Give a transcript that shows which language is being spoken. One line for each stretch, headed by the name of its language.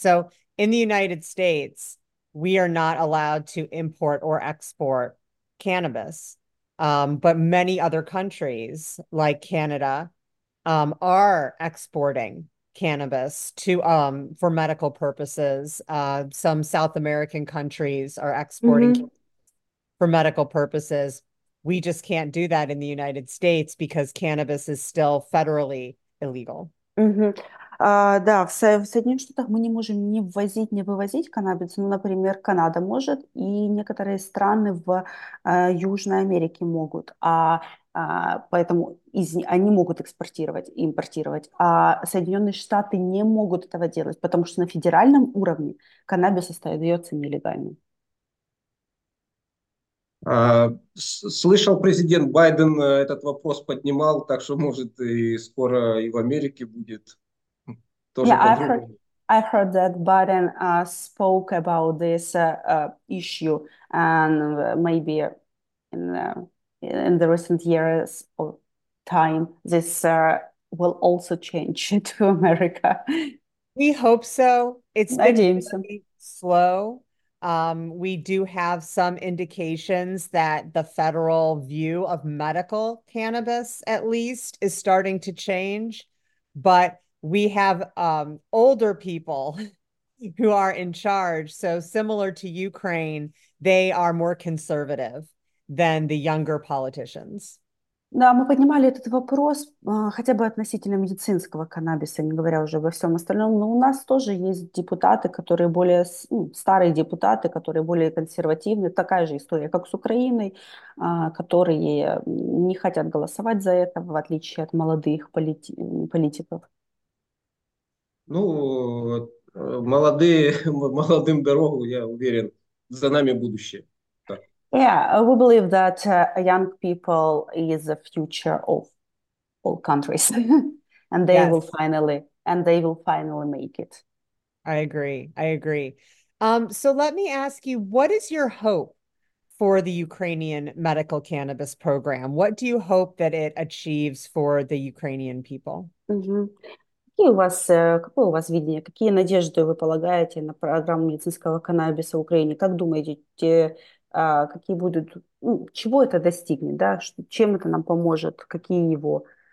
English: So in the United States, we are not allowed to import or export cannabis, but many other countries like Canada are exporting cannabis to for medical purposes. Some South American countries are exporting cannabis for medical purposes. We just can't do that in the United States because cannabis is still federally illegal.
Russian: Да, в Соединенных Штатах мы не можем ни ввозить, ни вывозить каннабис. Ну, например, Канада может, и некоторые страны в Южной Америке могут. Поэтому они могут экспортировать и импортировать. А Соединенные Штаты не могут этого делать, потому что на федеральном уровне каннабис остается нелегальным. Слышал, президент Байден этот вопрос поднимал, так что, может, и скоро и в Америке будет тоже
English: Yeah,
Russian: подробнее.
English: I heard that Biden spoke about this issue, and maybe in the recent years or time, this will also change to America. We hope so. It's I been dream so. really slow. We do have some indications that the federal view of medical cannabis, at least, is starting to change. But we have older people who are in charge. So similar to Ukraine, they are more conservative than the younger politicians.
Russian: Да, мы поднимали этот вопрос хотя бы относительно медицинского каннабиса, не говоря уже обо всем остальном, но у нас тоже есть депутаты, которые более, ну, старые депутаты, которые более консервативны, такая же история, как с Украиной, которые не хотят голосовать за это, в отличие от молодых политиков. Ну, молодым дорогу, я уверен, за нами будущее.
English: Yeah, we believe that young people is the future of all countries, and Yes. they will finally make it. I agree. I agree. So let me ask you, what is your hope for the Ukrainian medical cannabis program? What do you hope that it achieves for the Ukrainian people?
Russian: Какие у вас, какое у вас видение, какие надежды вы полагаете на программу медицинского каннабиса в Украине? Как думаете, какие будут, ну, чего это достигнет, да? Чем это нам поможет, какие его